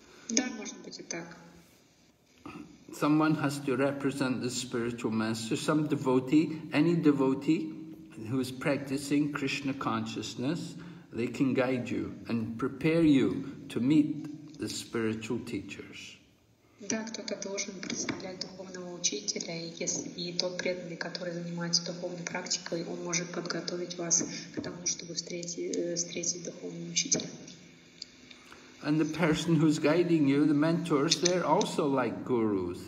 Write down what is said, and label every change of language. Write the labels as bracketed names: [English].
[Russian] Да, может быть и так. [English] Someone has to represent the spiritual master, some devotee, any devotee who is practicing Krishna consciousness, they can guide you and prepare you to meet the spiritual teachers. [Russian] Да, кто-то должен представлять духовного учителя, и если тот преданный, который занимается духовной практикой, он может подготовить вас к тому, чтобы встретить духовного учителя. [English] And the person who's guiding you, the mentors, they're also like gurus.